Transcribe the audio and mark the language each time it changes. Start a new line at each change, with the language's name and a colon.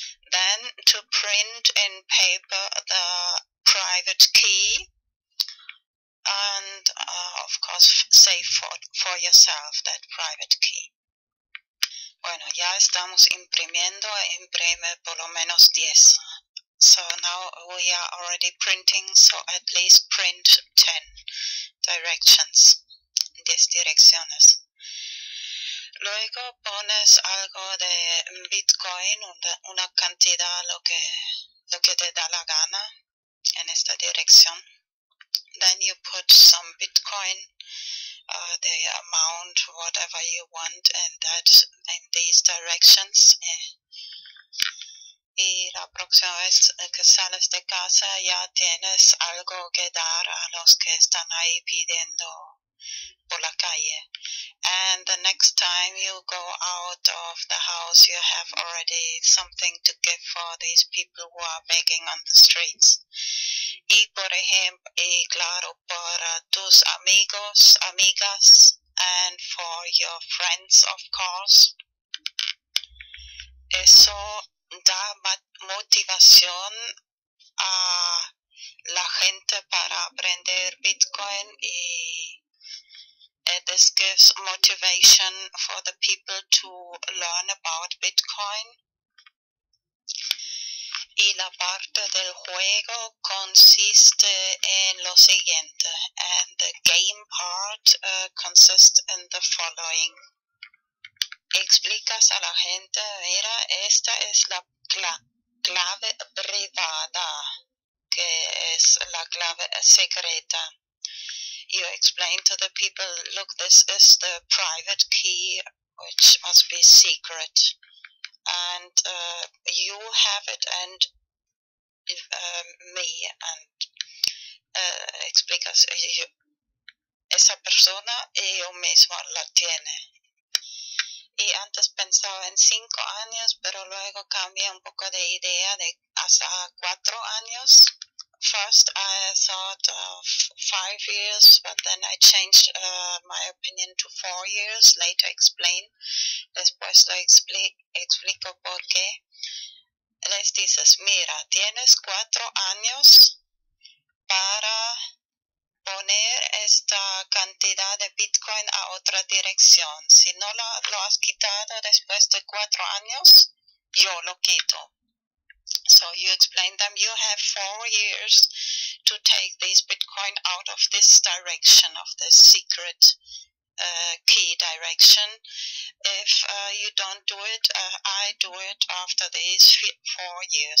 English: Then, to print in paper the private key and, of course, save for yourself that private key.
Spanish: Bueno, ya estamos imprimiendo, imprime por lo menos 10.
English: So now we are already printing, so at least print 10 directions, 10 direcciones.
Spanish: Luego pones algo de Bitcoin, una cantidad, lo que te da la gana en esta dirección.
English: Then you put some Bitcoin, the amount, whatever you want, in these directions.
Spanish: Y la próxima vez que sales de casa ya tienes algo que dar a los que están ahí pidiendo por la calle.
English: And the next time you go out of the house, you have already something to give for these people who are begging on the streets.
Spanish: Y por ejemplo, y claro, para tus amigos, amigas,
English: and for your friends, of course.
Spanish: Eso da motivación a la gente para aprender Bitcoin y
English: this gives motivation for the people to learn about Bitcoin.
Spanish: Y la parte del juego consiste en lo siguiente,
English: and the game part consists in the following.
Spanish: Explicas a la gente, mira, esta es la clave privada, que es la clave secreta.
English: You explain to the people, look, this is the private key, which must be secret. And you have it, and me, and
Spanish: explicas, yo, esa persona y yo misma la tiene. Y antes pensaba en 5 años, pero luego cambié un poco de idea de hasta 4 años.
English: First, I thought of 5 years, but then I changed my opinion to 4 years. Later, explain.
Spanish: Después lo explico por qué. Les dices, mira, tienes 4 años para poner esta cantidad de Bitcoin a otra dirección. Si no lo has quitado después de 4 años, yo lo quito.
English: So you explain them, you have 4 years to take this Bitcoin out of this direction, of this secret key direction. If you don't do it, I do it after these 4 years.